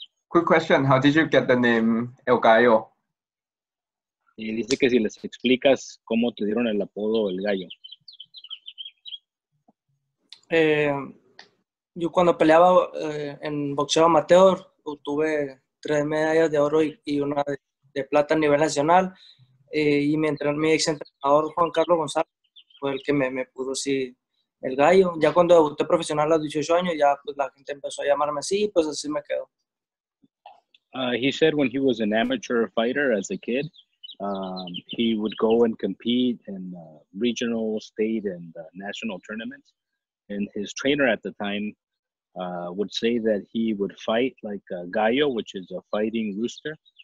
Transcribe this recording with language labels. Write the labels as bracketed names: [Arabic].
[English] Quick question, how did you get the name El Gallo? [Spanish] Y dice que si les explicas cómo te dieron el apodo El Gallo. Yo cuando peleaba en boxeo amateur, obtuve 3 medallas de oro y una de plata a nivel nacional. Y mientras mi ex entrenador Juan Carlos González fue el que me pudo así El Gallo. Ya cuando debuté profesional a los 18 años, ya pues la gente empezó a llamarme así, pues así me quedó. [English] He said when he was an amateur fighter as a kid, he would go and compete in regional, state, and national tournaments. And his trainer at the time would say that he would fight like a gallo, which is a fighting rooster.